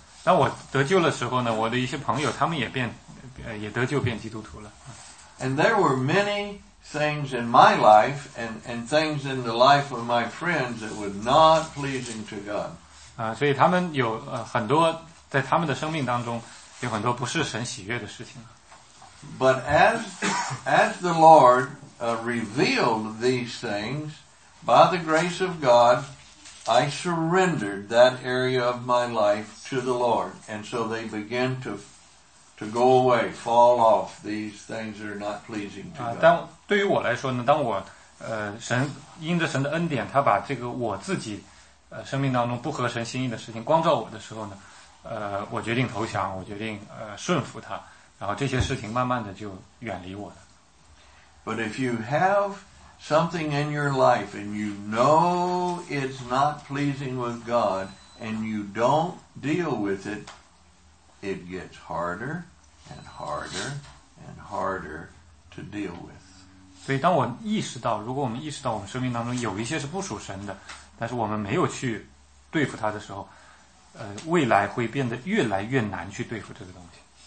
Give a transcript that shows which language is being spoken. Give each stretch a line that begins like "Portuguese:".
Chinese: 当我得救的时候呢，我的一些朋友他们也变。也得救变基督徒了。
English: And there were many things in my life and things in the life of my friends that were not pleasing to God.
Chinese: 所以他们有很多在他们的生命当中有很多不是神喜悦的事情。
English: But as the Lord revealed these things by the grace of God, I surrendered that area of my life to the Lord. And so they begin to go away, fall off. These things are not pleasing to God.
Chinese: 但对于我来说呢，当我神因着神的恩典，他把这个我自己生命当中不合神心意的事情光照我的时候呢，我决定投降，我决定顺服他，然后这些事情慢慢的就远离我了。
English: But if you have something in your life and you know it's not pleasing with God and you don't deal with it, it gets harder and harder and harder to deal with.
Chinese: 所以当我意识到，如果我们意识到我们生命当中有一些是不属神的，但是我们没有去对付它的时候，未来会变得越来越难去对付这个东西。